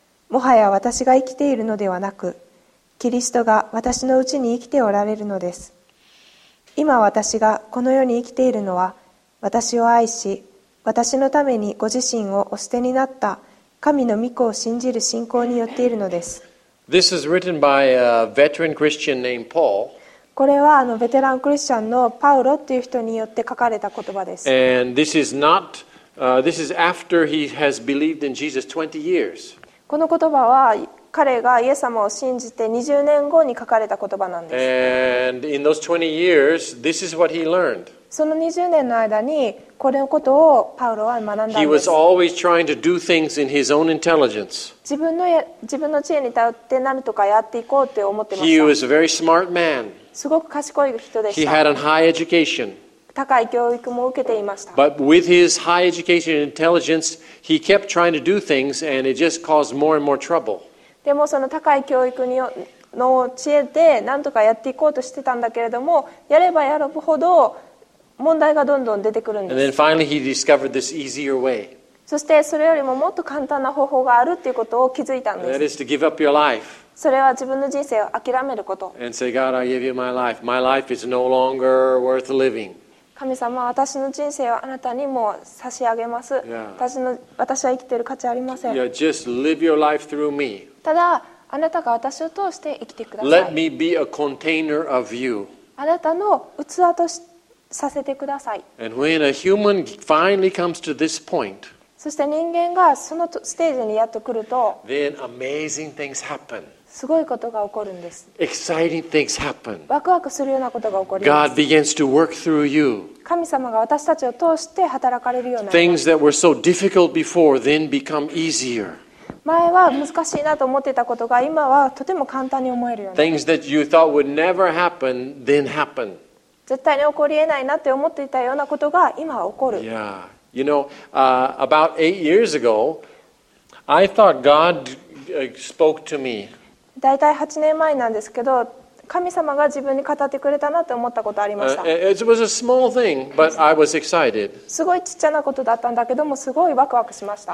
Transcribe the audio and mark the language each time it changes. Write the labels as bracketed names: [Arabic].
[Japanese] もはや私が生きているのではなく、キリストが私のうちに生きておられるのです。今私がこの世に生きているのは、私を愛し、私のためにご自身をお捨てになった神の御子を信じる信仰によっているのです。 [English] This is written by a veteran Christian named Paul. [Japanese] これはあのベテランクリスチャンのパウロっていう人によって書かれた言葉です。 [English] And this is not, this is after he has believed in Jesus 20 years. [Japanese] この言葉は彼がイエス様を信じて20年後に書かれた言葉なんです。 [English] And in those 20 years, this is what he learned. [Japanese] その20年の間にこれのことをパウロは学んだんです。 [English] He was always trying to do things in his own intelligence. [Japanese] 自分の知恵に頼って何とかやっていこうって思ってました。 [English] He was a very smart man. [Japanese] すごく賢い人でした。 [English] He had a high education. [Japanese] 高い教育も受けていました。 [English] But with his high education and intelligence, he kept trying to do things, and it just caused more and more trouble. [Japanese] でもその高い教育の知恵で何とかやっていこうとしてたんだけれども、やればやるほど問題がどんどん出てくるんです。 [English] And then finally he discovered this easier way. [Japanese] そしてそれよりももっと簡単な方法があるっていうことを気づいたんです。 [English] And that is to give up your life. [Japanese] それは自分の人生を諦めること。 [English] And say, God, I give you my life. My life is no longer worth living. [Japanese] 神様、私の人生をあなたにも差し上げます。 [English] Yeah. [Japanese] 私は生きている価値ありません。 [English] Yeah, just live your life through me. [Japanese] ただ、あなたが私を通して生きてください。 [English] Let me be a container of you. [Japanese] あなたの器とさせてください。 [English] And when a human finally comes to this point, [Japanese] そして人間がそのステージにやっと来ると、 [English] then amazing things happen. [Japanese] すごいことが起こるんです。 [English] Exciting things happen. [Japanese] ワクワクするようなことが起こります。 [English] God begins to work through you. [Japanese] 神様が私たちを通して働かれるようになります。 [English] Things that were so difficult before then become easier. [Japanese] 前は難しいなと思ってたことが今はとても簡単に思えるようになります。 [English] Things that you thought would never happen then happen. [Japanese] 絶対に起こりえないなって思っていたようなことが今は起こる。 [English] Yeah. You know, about 8 years ago, I thought God spoke to me. [Japanese] だいたい8年前なんですけど、神様が自分に語ってくれたなと思ったことありました。 [English] It was a small thing, but I was excited. [Japanese] すごいちっちゃなことだったんだけども、すごいワクワクしました。